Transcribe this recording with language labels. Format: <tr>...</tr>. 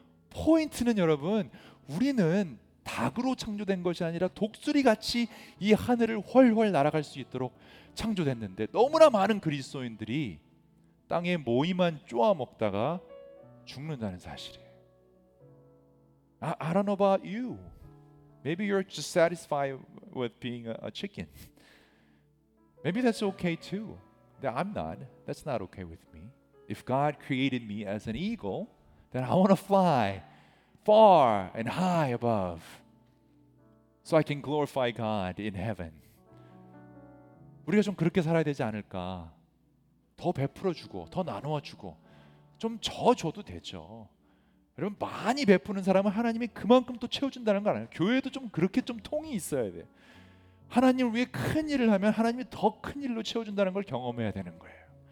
<ko>포인트는 여러분, 우리는 닭으로 창조된 것이 아니라 독수리 같이 이 하늘을 훨훨 날아갈 수 있도록 창조됐는데 너무나 많은 그리스도인들이 땅의 모이만 쪼아먹다가 죽는다는 사실이에요.</ko> <en>I don't know about you. Maybe you're just satisfied with being a chicken. Maybe that's okay too. I'm not. That's not okay with me. If God created me as an eagle, then I want to fly far and high above so I can glorify God in heaven.</en> <ko>우리가 좀 그렇게 살아야 되지 않을까? 더 베풀어주고, 더 나누어주고, 좀 져줘도 되죠. 여러분 많이 베푸는 사람은 하나님이 그만큼 또 채워준다는 거 아니에요? 교회도 좀 그렇게 좀 통이 있어야 돼. 하나님을 위해 큰 일을 하면 하나님이 더 큰 일로 채워준다는 걸 경험해야 되는 거예요.</ko>